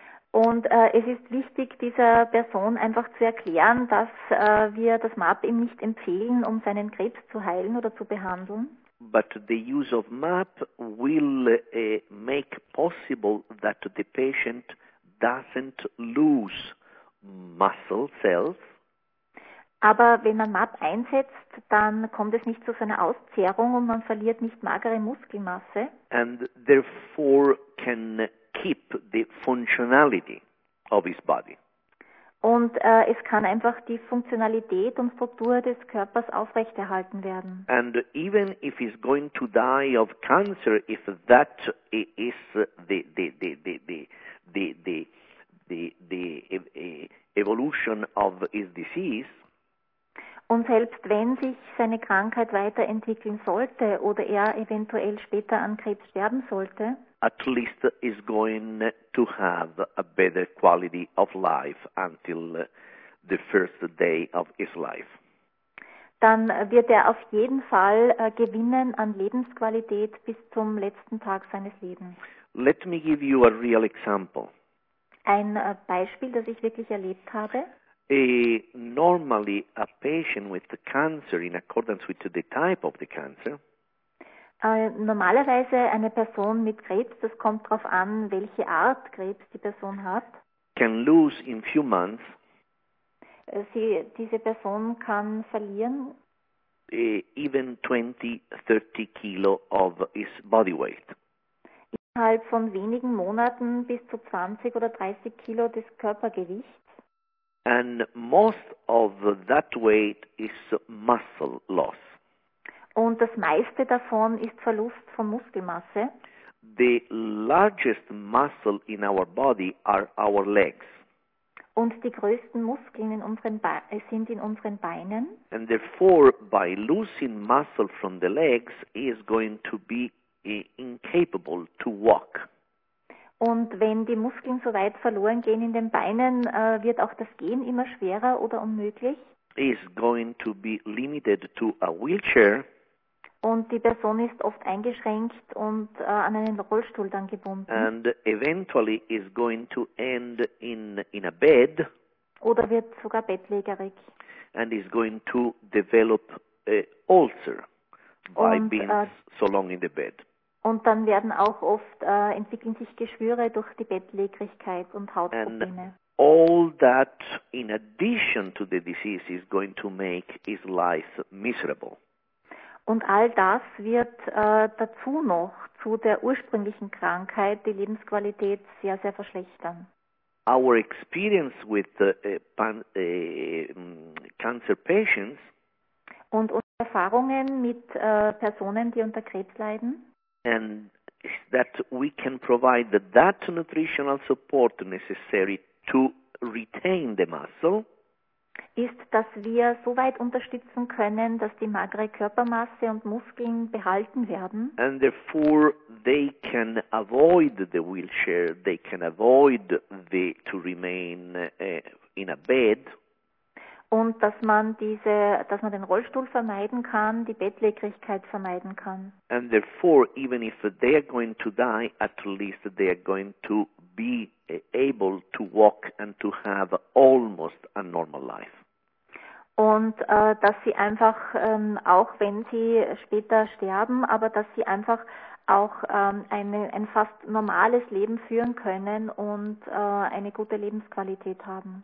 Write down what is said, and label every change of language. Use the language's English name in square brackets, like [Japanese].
[German] Und es ist wichtig, dieser Person einfach zu erklären, dass wir das MAP ihm nicht empfehlen, um seinen Krebs zu heilen oder zu behandeln. [English] But the use of MAP will make possible that the patient doesn't lose muscle cells. [German] Aber wenn man MAP einsetzt, dann kommt es nicht zu so einer Auszehrung und man verliert nicht magere Muskelmasse. [English] And therefore can keep the functionality of his body. [German] Und es kann einfach die Funktionalität und Struktur des Körpers aufrechterhalten werden. [English] And even if he's going to die of cancer, if that is the evolution of his disease. [German] Und selbst wenn sich seine Krankheit weiterentwickeln sollte oder er eventuell später an Krebs sterben sollte, [English] at least is going to have a better quality of life until the first day of his life. [German] Dann wird er auf jeden Fall gewinnen an Lebensqualität bis zum letzten Tag seines Lebens. [English] Let me give you a real example. [German] Ein Beispiel, das ich wirklich erlebt habe. [English] Normally a patient with the cancer in accordance with the type of the cancer. [German] Normalerweise eine Person mit Krebs, das kommt darauf an, welche Art Krebs die Person hat. [English] Can lose in few months. [German] Diese Person kann verlieren. [English] Even 20, 30 kilo of his body weight. [German] Innerhalb von wenigen Monaten bis zu 20 oder 30 kilo des Körpergewichts. [English] And most of that weight is muscle loss. [German] Und das meiste davon ist Verlust von Muskelmasse. [English] The largest muscle in our body are our legs. [German] Und die größten Muskeln in unseren sind in unseren Beinen. [English] And therefore, by losing muscle from the legs, he is going to be incapable to walk. [German] Und wenn die Muskeln so weit verloren gehen in den Beinen, wird auch das Gehen immer schwerer oder unmöglich. [English] is going to be limited to a wheelchair. [German] Und die Person ist oft eingeschränkt und an einen Rollstuhl dann gebunden. [English] And eventually is going to end in a bed. [German] Oder wird sogar bettlägerig. [English] And is going to develop ulcer by being so long in the bed. [German] Und dann werden auch oft entwickeln sich Geschwüre durch die Bettlägerigkeit und Hautprobleme. [English] All that in addition to the disease is going to make his life miserable. [German] Und all das wird dazu noch zu der ursprünglichen Krankheit die Lebensqualität sehr sehr verschlechtern. [English] Our experience with cancer patients [German] und unsere Erfahrungen mit Personen die unter Krebs leiden. [English] And that we can provide that nutritional support necessary to retain the muscle. [German] Ist, dass wir so weit unterstützen können, dass die magere Körpermasse und Muskeln behalten werden. [English] And therefore they can avoid the wheelchair, they can avoid the to remain in a bed. [German] Und dass man diese, dass man den Rollstuhl vermeiden kann, die Bettlägerigkeit vermeiden kann. [English] And therefore, even if they are going to die, at least they are going to be able to walk and to have almost a normal life. [German] Und dass sie einfach, auch wenn sie später sterben, aber dass sie einfach auch ein fast normales Leben führen können und eine gute Lebensqualität haben.